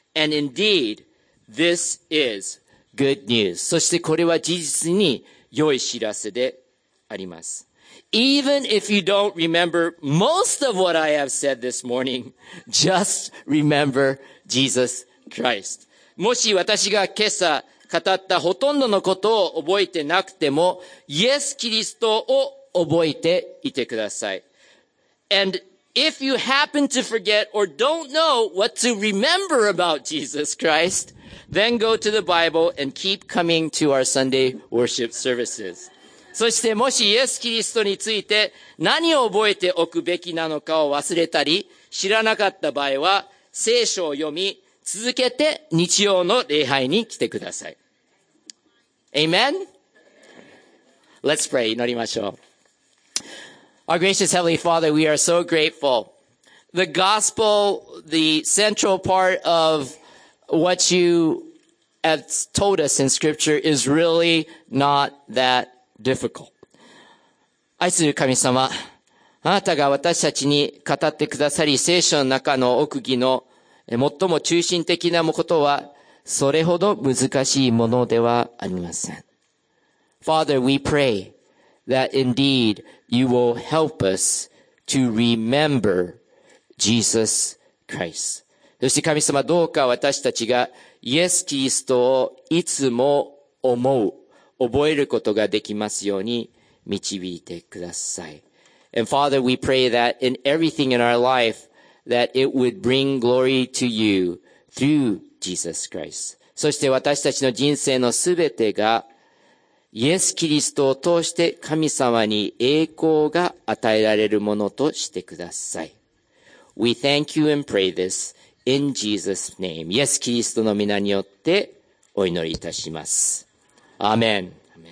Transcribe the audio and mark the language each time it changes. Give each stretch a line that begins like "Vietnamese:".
English: And indeed, this is good news.
Japanese: そしてこれは事実に良い知らせであります。
English: Even if you don't remember most of what I have said this morning, just remember Jesus Christ.
Japanese: もし私が今朝語ったほとんどのことを覚えてなくても、イエス・キリストを覚えていてください。
English: And if you happen to forget or don't know what to remember about Jesus Christ, then go to the Bible and keep coming to our Sunday worship services.
Japanese: そしてもしイエス・キリストについて何を覚えておくべきなのかを忘れたり、知らなかった場合は、聖書を読み、続けて日曜の礼拝に来てください。
English: Amen? Let's pray.
Japanese: 祈りましょう。
English: Our gracious Heavenly Father, we are so grateful. The gospel, the central part of what you have told us in scripture is really not that difficult.
Japanese: 愛する神様、あなたが私たちに語ってくださり、聖書の中の奥義の最も中心的なことは、それほど難しいものではありません。
English: Father, we pray that indeed you will help us to remember Jesus Christ.
Japanese: そして神様、どうか私たちがイエス・キリストをいつも思う、覚えることができますように導いてください。
English: And Father, we pray that in everything in our life,That it would bring glory to you through Jesus Christ.
Japanese: そして私たちの人生のすべてがイエス・キリストを通して神様に栄光が与えられるものとしてください。
English: We thank you and pray this in Jesus' name.
Japanese: イエス・キリストの御名によってお祈りいたします。アーメン。